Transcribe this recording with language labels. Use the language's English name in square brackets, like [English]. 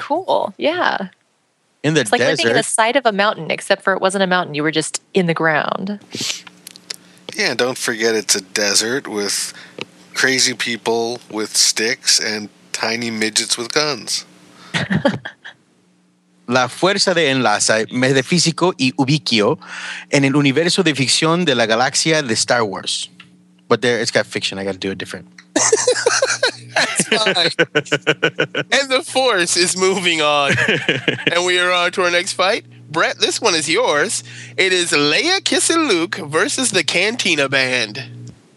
[English] Cool. Yeah. In the desert. It's like living in the side of a mountain, except for it wasn't a mountain. You were just in the ground. Yeah, and don't forget it's a desert with crazy people with sticks and tiny midgets with guns. [Spanish] La fuerza de enlace metafísico y ubiquio en el universo de ficción de la galaxia de Star Wars. [English] But there, it's got fiction. I got to do it different. That's fine. And the Force is moving on. And we are on to our next fight. Brett, this one is yours. It is Leia kissing Luke versus the Cantina Band.